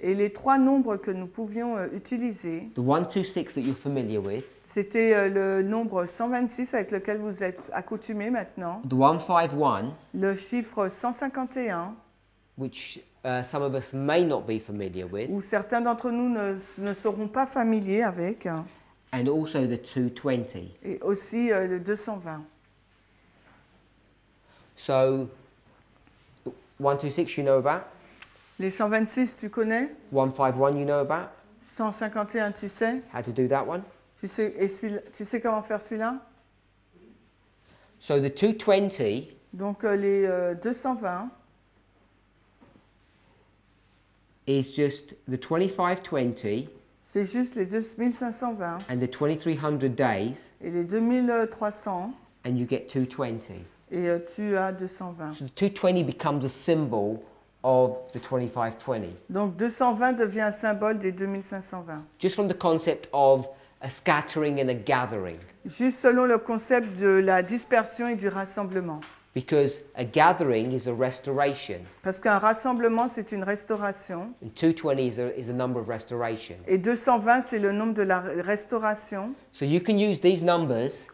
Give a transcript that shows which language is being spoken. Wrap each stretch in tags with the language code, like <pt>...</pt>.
<fr>et les trois nombres que nous pouvions utiliser,</fr> <en>the 126 that you're familiar with,</en> <fr>c'était le nombre 126 avec lequel vous êtes accoutumé maintenant.</fr> <en>The 151.</en> <fr>Le chiffre 151.</fr> <en>Which some of us may not be familiar with.</en> <fr>Ou certains d'entre nous ne seront pas familiers avec.</fr> <en>And also the 220.</en> <fr>Et aussi le 220.</fr> <en>So, 126 you know about?</en> <fr>Les 126 tu connais?</fr> <en>151 you know about?</en> <fr>151 tu sais?</fr> <en>How to do that one?</en> <fr>Tu sais comment faire celui-là?</fr> <en>So the 220.</en> <fr>Donc les 220.</fr> <en>Is just the 2520.</en> <fr>C'est juste les 2520.</fr> <en>And the 2300 days.</en> <fr>Et les 2300.</fr> <en>And you get 220.</en> <fr>Et tu as 220.</fr> <en>So the 220 becomes a symbol of the 2520.</en> <fr>Donc 220 devient un symbole des 2520.</fr> <en>Just from the concept of a scattering and a gathering.</en> <fr>Juste selon le concept de la dispersion et du rassemblement.</fr> <en>Because a gathering is a restoration.</en> <fr>Parce qu'un rassemblement, c'est une restauration.</fr> <en>And 220 is a number of restoration.</en> <fr>Et 220, c'est le nombre de la restauration.</fr> <en>So you can use these numbers.</en>